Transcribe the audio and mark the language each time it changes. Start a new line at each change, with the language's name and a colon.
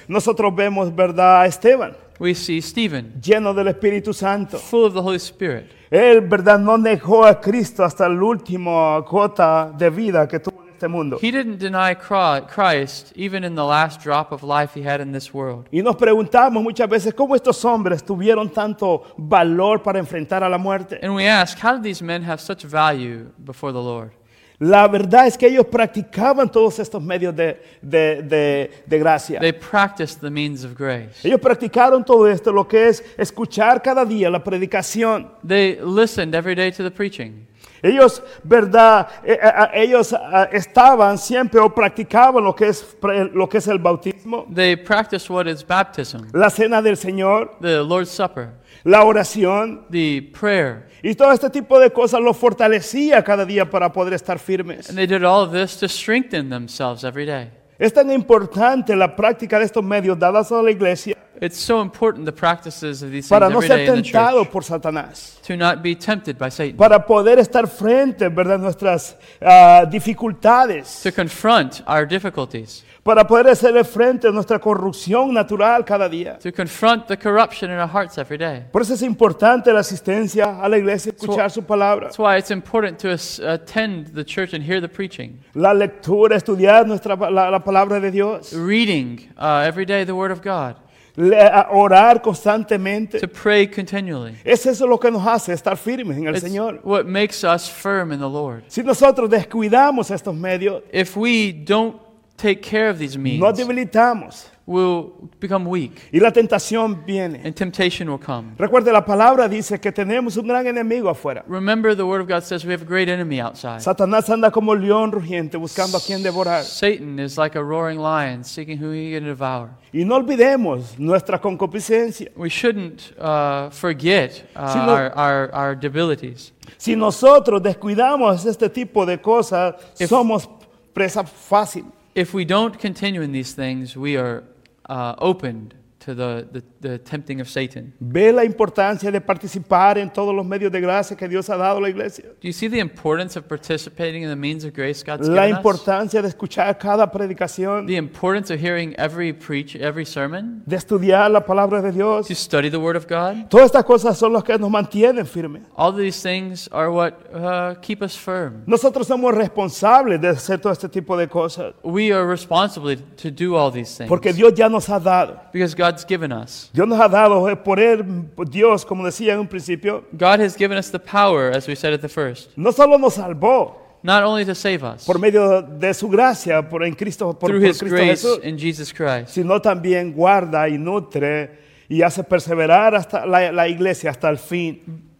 Spanish: Nosotros vemos, ¿verdad?, a Esteban.
English: We see Stephen.
Spanish: Lleno del Espíritu Santo.
English: Full of the Holy Spirit.
Spanish: Él, ¿verdad?, no negó a Cristo hasta el último gota de vida que tuvo en este mundo.
English: He didn't deny Christ even in the last drop of life he had in this world.
Spanish: Y nos preguntamos muchas veces cómo estos hombres tuvieron tanto valor para enfrentar a la muerte.
English: And we ask, how did these men have such value before the Lord?
Spanish: La verdad es que ellos practicaban todos estos medios de gracia.
English: They practiced the means of grace.
Spanish: Ellos practicaron todo esto, lo que es escuchar cada día la predicación.
English: They listened every day to the preaching.
Spanish: Ellos, ¿verdad? Ellos estaban siempre o practicaban lo que es el bautismo.
English: They practiced what is baptism.
Spanish: La cena del Señor.
English: The Lord's Supper.
Spanish: La oración.
English: The prayer.
Spanish: Y todo este tipo de cosas lo fortalecía cada día para poder estar firmes.
English: And they did all of this to strengthen themselves every day.
Spanish: Es tan importante la práctica de estos medios dadas a la iglesia.
English: It's so important the practices of these
Spanish: para
English: things
Spanish: no
English: every day in the church.
Spanish: Para no ser tentado por Satanás.
English: To not be tempted by Satan.
Spanish: Para poder estar frente, ¿verdad?, nuestras dificultades.
English: To confront our difficulties.
Spanish: Para poder hacerle frente a nuestra corrupción natural cada día.
English: To confront the corruption in our hearts every day.
Spanish: Por eso es importante la asistencia a la iglesia, escuchar su palabra.
English: That's why it's important to attend the church and hear the preaching.
Spanish: La lectura, estudiar nuestra la palabra de Dios.
English: Reading every day the word of God.
Spanish: Orar constantemente.
English: To pray continually.
Spanish: Es eso lo que nos hace estar firmes en el Señor.
English: It's what makes us firm in the Lord.
Spanish: Si nosotros descuidamos estos medios.
English: If we don't take care of these means.
Spanish: Nos debilitamos.
English: We'll become weak.
Spanish: Y la tentación viene.
English: And temptation will come.
Spanish: Recuerde, la palabra dice que tenemos un gran enemigo afuera.
English: Remember, the word of God says we have a great enemy outside.
Spanish: Satanás anda como león rugiente buscando a quien devorar.
English: Satan is like a roaring lion seeking who he can devour.
Spanish: Y no olvidemos nuestra concupiscencia.
English: We shouldn't forget our debilities.
Spanish: Si nosotros descuidamos este tipo de cosas, somos presa fácil.
English: If we don't continue in these things, we are opened to the tempting of Satan.
Spanish: ¿Ve la importancia de participar en todos los medios de gracia que Dios ha dado a la iglesia?
English: Do you see the importance of participating in the means of grace God's given us?
Spanish: La importancia de escuchar cada predicación.
English: The importance of hearing every sermon.
Spanish: De estudiar la palabra de Dios.
English: To study the word of God.
Spanish: Todas estas cosas son las que nos mantienen firmes.
English: All these things are what keep us firm.
Spanish: Nosotros somos responsables de hacer todo este tipo de cosas.
English: We are responsible to do all these things.
Spanish: Porque Dios ya nos ha dado.
English: Because God's given us.
Spanish: Dios nos ha dado poder, Dios, como decía en un principio.
English: God has given us the power, as we said at the first.
Spanish: No solo nos salvó.
English: Not only to save us.
Spanish: Por medio de su gracia, en Cristo,
English: through his
Spanish: Cristo
English: grace
Spanish: Jesús,
English: in Jesus Christ.
Spanish: Sino también guarda y nutre y hace perseverar hasta la iglesia hasta el fin.